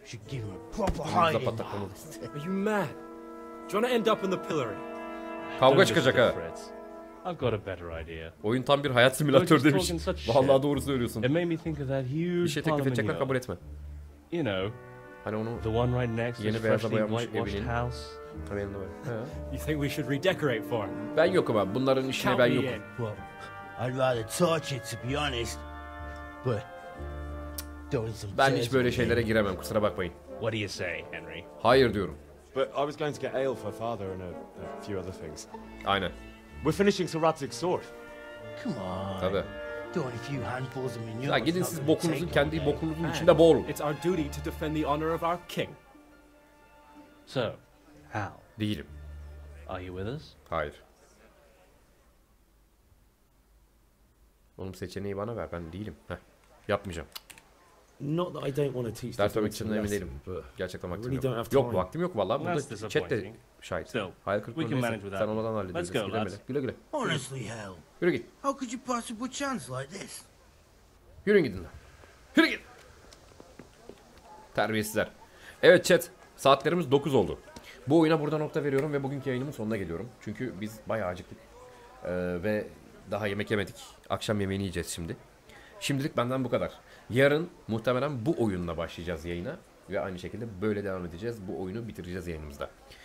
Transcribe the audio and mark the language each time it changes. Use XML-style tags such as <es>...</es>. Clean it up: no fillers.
<en>Should give him a proper hiding. Are you mad? Do you want to end up in the pillory?</en> <tr>Kavga çıkacak ha.</tr> <en>I've got a better idea.</en> <tr>Oyun tam bir hayat simülatörü demiş. Vallahi doğru söylüyorsun.</tr> <en>It made me think of that huge parliament.</en> <tr>Kabul etme.</tr> <en>You know.</en> <tr>Hani onu</tr> <en>the one right next to the freshly whitewashed house. You think we should redecorate for him?</en> <tr>Ben yokum abi. Bunların işine ben yokum.</tr> <en>I'd rather torch it, to be honest. But</en> <tr>ben hiç böyle şeylere giremem, kusura bakmayın.</tr> <en>What do you say, Henry?</en> <tr>Hayır diyorum.</tr> <en>But I was going to get ale for father and a few other things.</en> <tr>Aynen.</tr> <en>We're finishing Sir Ratzik's sword. Come on.</en> <tr>Tabii.</tr> <en>Don't a few handfuls of manure.</en> <tr>Ya gidin siz bokunuzun kendi bokunuzun içinde boğulun.</tr> <en>It's our duty to defend the honor of our king. So, how?</en> <tr>Değilim.</tr> <en>Are you with us?</en> <tr>Hayır. Oğlum seçeneği bana ver, ben değilim. Heh. Yapmayacağım.</tr> <en>Not that I don't want to teach this.</en> <tr>Dersim için emin değilim. Gerçekten vaktim really yok. Yok vaktim yok vallahi. Well, burada chat de şahit. Hayal kırıklığı. Sen olmadan hallediyorsun.</tr> <en>Let's go,</en> <tr>gidelim</tr> <en>lads.</en> <tr>Güle güle.</tr> <en>Honestly hell.</en> <tr>Yürü git.</tr> <en>How could you pass a good chance like this?</en> <tr>Yürüyün gidin lan. Yürü git. Terbiyesizler. Evet chat. Saatlerimiz 9 oldu. Bu oyuna burada nokta veriyorum ve bugünkü yayınımın sonuna geliyorum. Çünkü biz bayağı acıktık. Ve daha yemek yemedik. Akşam yemeğini yiyeceğiz şimdi. Şimdilik benden bu kadar. Yarın muhtemelen bu oyunla başlayacağız yayına. Ve aynı şekilde böyle devam edeceğiz. Bu oyunu bitireceğiz yayınımızda.</tr>